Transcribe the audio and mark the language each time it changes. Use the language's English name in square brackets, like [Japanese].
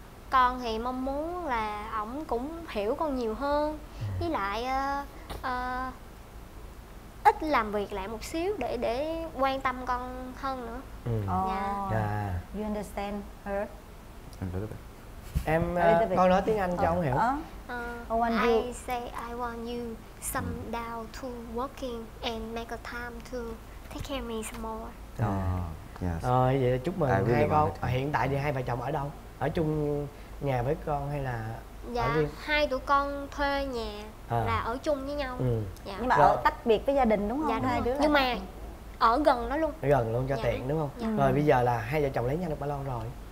[Vietnamese] Con thì mong muốn là ổng cũng hiểu con nhiều hơn, với lại ít làm việc lại một xíu để quan tâm con hơn nữa. [English] Yeah. You understand her? [Vietnamese] Em con nói tiếng Anh cho ông hiểu. [English] I say I want you some down to working and make a time to take care of me some more. [Vietnamese] Vậy là chúc mừng hai con. Hiện tại thì hai vợ chồng ở đâu? Ở chung nhà với con hay là dạ hai tụi con thuê nhà là ở chung với nhau. Dạ. Nhưng mà ở tách biệt với gia đình đúng không? Dạ, hai đúng đứa. Nhưng mà ở gần đó luôn. Gần luôn cho tiện đúng không? Rồi bây giờ là hai vợ chồng lấy nhau được bao lâu rồi?